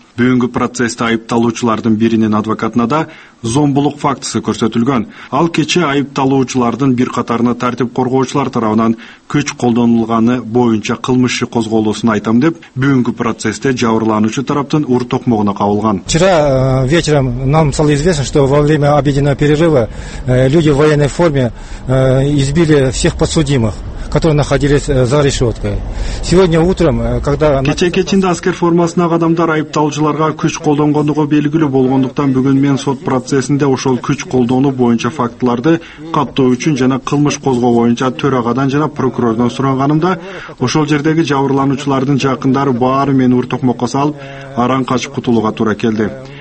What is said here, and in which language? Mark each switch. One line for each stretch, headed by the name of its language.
Kyrgyz: Бүгүнкү процессте айыпталуучулардын биринин адвокатына да зомбулук фактысы көрсөтүлгөн. Ал кече айыпталуучулардын бир катарына тартип коргоочулар тарабынан күч колдонулганы боюнча кылмыш иши козголуусун айтам деп, бүгүнкү процессте жабырлануучу тараптын ур токмогуна кабылган.
Russian: Вчера вечером нам стало известно, что во время обеденного перерыва люди в военной форме избили всех подсудимых, которые находились за решеткой. Сегодня утром, когда...
Kyrgyz: Кече кечинде аскер формасындагы адамдар айыпталуучуларга күч колдонгондугу белгилүү болгондуктан, бүгүн мен сот процессинде ошол күч колдонуу боюнча фактыларды каттоо үчүн жана кылмыш козгоо боюнча төрагадан жана прокурордон суранганымда, ошол жердеги жабырлануучулардын жакындары баары мени ур токмокко салып, араң качып кутулууга туура келди.